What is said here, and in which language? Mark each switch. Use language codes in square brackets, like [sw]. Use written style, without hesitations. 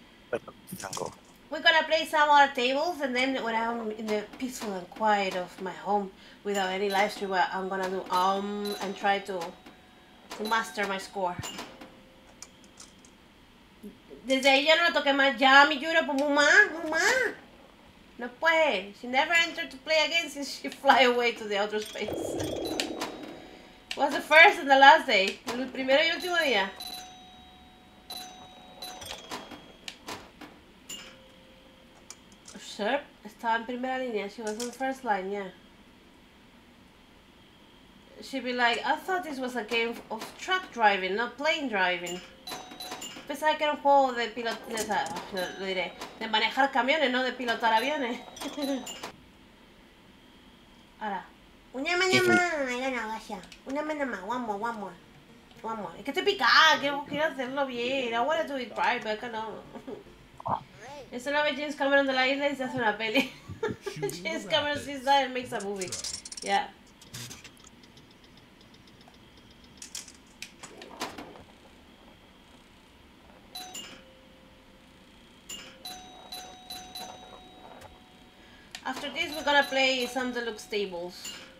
[en] We're gonna play some other tables, and then when I'm in the peaceful and quiet of my home without any live stream, I'm gonna do and try to master my score. [es] Desde ahí ya no la toqué más, ya mi Juro, pues mamá. No puede, [en] she never entered to play again since she fly away to the outer space. Was the first and the last day, [es] el primero y último día. [en] Sure, [es] estaba en primera línea, [en] she was on first line, yeah. She'd be like, I thought this was a game of truck driving, not plane driving. [es] Pensaba que era un juego de pilotar, de esa, lo diré, de manejar camiones, no de pilotar aviones. Ahora, una mañana más, era una gracia. Una mañana más, [en] one more. [es] Es que estoy picada, quiero hacerlo bien. [en] I wanted to be right, [es] pero es que no. Eso no ve James Cameron de la isla y se hace una peli. [en] James Cameron sees that and makes a movie. Yeah. After this, we're gonna play some deluxe tables.